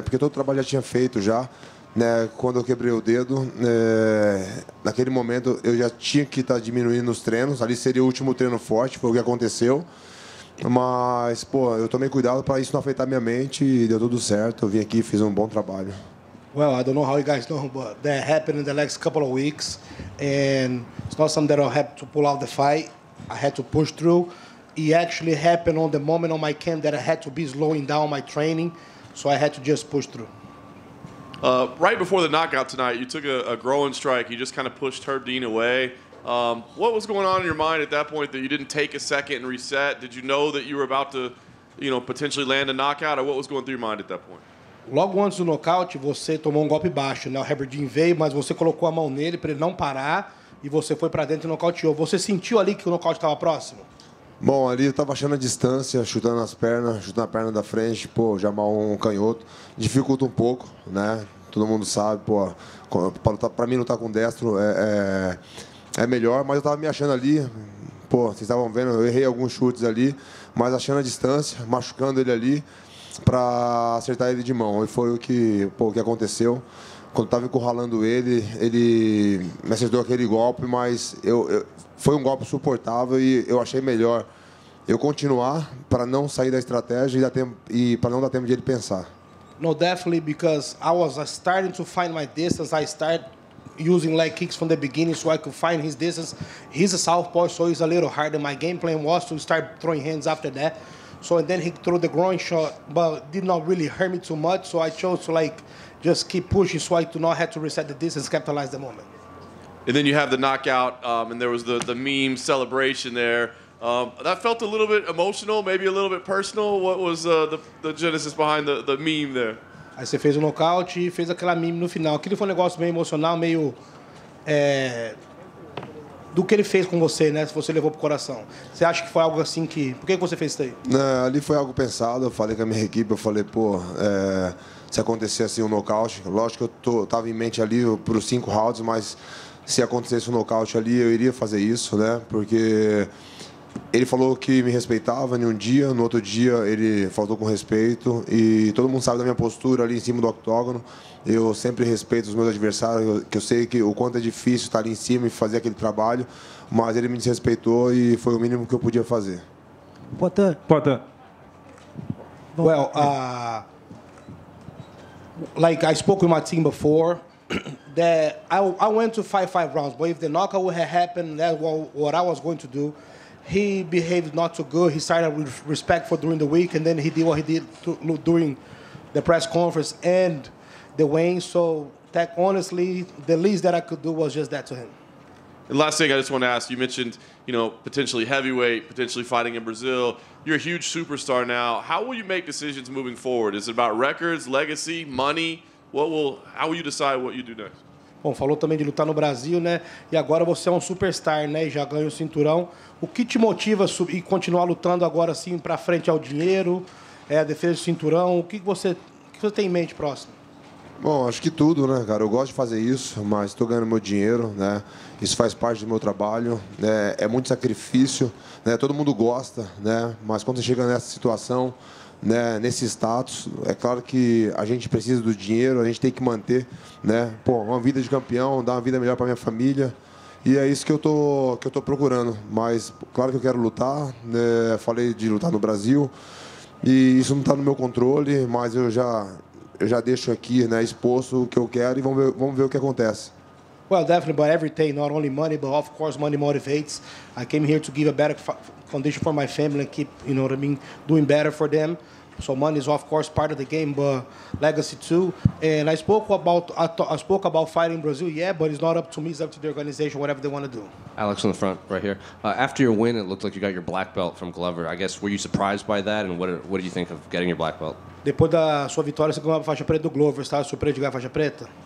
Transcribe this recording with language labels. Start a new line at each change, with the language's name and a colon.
Portuguese: Porque todo o trabalho já tinha feito já. Né, quando eu quebrei o dedo, naquele momento eu já tinha que estar diminuindo os treinos. Ali seria o último treino forte, foi o que aconteceu. Mas, pô, eu tomei cuidado para isso não afetar minha mente e deu tudo certo. Eu vim aqui e fiz um bom trabalho.
English: Well, I don't know how you guys know, but that happened in the last couple of weeks. And it's not something that I had to pull out the fight. I had to push through. It actually happened on the moment on my camp that I had to be slowing down my training. So I had to just push through. Right before the knockout tonight, you took a groin strike. You just kind of pushed Herb Dean away. What was going on in your mind at that point that you didn't take a second and reset? Did you know that you were about to, you know, potentially land a knockout? Or what was going through your mind at that point?
Portuguese: Logo antes do nocaute, você tomou um golpe baixo, né? O Herb Dean veio, mas você colocou a mão nele para ele não parar e você foi para dentro e nocauteou. Você sentiu ali que o nocaute estava próximo? Bom, ali eu tava achando a distância, chutando as pernas, chutando a perna da frente, pô, já mal um canhoto. Dificulta um pouco, né? Todo mundo sabe, pô, pra mim lutar com destro é melhor, mas eu tava me achando ali, pô, vocês estavam vendo, eu errei alguns chutes ali, mas achando a distância, machucando ele ali, pra acertar ele de mão. E foi o que, pô, que aconteceu. Quando eu tava encurralando ele, ele me acertou aquele golpe, mas foi um golpe suportável e eu achei melhor eu continuar para não sair da estratégia e dar tempo e para não dar tempo de ele pensar.
English: No, definitely, because I was starting to find my distance. I start using leg kicks from the beginning so I could find his distance. He's a southpaw, so he's a little harder. My game plan was to start throwing hands after that. So and then he threw the groin shot, but did not really hurt me too much. So I chose to like just keep pushing so I do not have to reset the distance, capitalize the moment. And then you have the knockout, and there was the meme celebration there. That felt a little bit emotional, maybe a little bit personal. What was the genesis behind the meme there?
Portuguese: Aí você fez o nocaute e fez aquela meme no final. Aquilo foi um negócio meio emocional, meio do que ele fez com você, né? Se você levou pro coração. Você acha que foi algo assim que... Por que você fez isso aí? Ali foi algo pensado. Eu falei com a minha equipe, eu falei, pô... se acontecer assim um nocaute... Lógico que eu tava em mente ali pros 5 rounds, mas... Se acontecesse um nocaute ali, eu iria fazer isso, né? Porque ele falou que me respeitava em um dia, no outro dia ele faltou com respeito. E todo mundo sabe da minha postura ali em cima do octógono. Eu sempre respeito os meus adversários, que eu sei que o quanto é difícil estar ali em cima e fazer aquele trabalho. Mas ele me desrespeitou e foi o mínimo que eu podia fazer. Poitin.
English: Well, like I spoke with my team before, that I went to fight 5 rounds, but if the knockout would have happened, that's what I was going to do. He behaved not too good. He started with respect for during the week, and then he did what he did during the press conference and the weigh-in. So, honestly, the least that I could do was just that to him. And last thing I just want to ask, you mentioned, you know, potentially heavyweight, potentially fighting in Brazil. You're a huge superstar now. How will you make decisions moving forward? Is it about records, legacy, money? How will you decide what you do next?
Portuguese: Bom, falou também de lutar no Brasil, né? E agora você é um superstar, né? E já ganha o cinturão. O que te motiva a subir e continuar lutando agora, assim, para frente ao dinheiro, a defesa do cinturão? O que você tem em mente próximo? Bom, acho que tudo, né, cara? Eu gosto de fazer isso, mas estou ganhando meu dinheiro, né? Isso faz parte do meu trabalho. É muito sacrifício, né? Todo mundo gosta, né? Mas quando você chega nessa situação, né, nesse status, é claro que a gente precisa do dinheiro, a gente tem que manter, né? Pô, uma vida de campeão, dar uma vida melhor para minha família. E é isso que eu tô procurando. Mas, claro que eu quero lutar, né? Falei de lutar no Brasil. E isso não está no meu controle, mas eu já deixo aqui, né, exposto o que eu quero e vamos ver o que acontece.
English: Well, definitely, but everything, not only money, but of course money motivates. I came here to give a better condition for my family and keep, you know what I mean, doing better for them. So money is of course part of the game, but legacy too. And I spoke about fighting in Brazil, yeah, but it's not up to me, it's up to the organization, whatever they want to do. Alex on the front, right here. After your win, it looked like you got your black belt from Glover. I guess, were you surprised by that, and what did you think of getting your black belt?
Portuguese: Depois da sua vitória, você ganhou a faixa preta do Glover. Você estava surpreso de ganhar a faixa preta?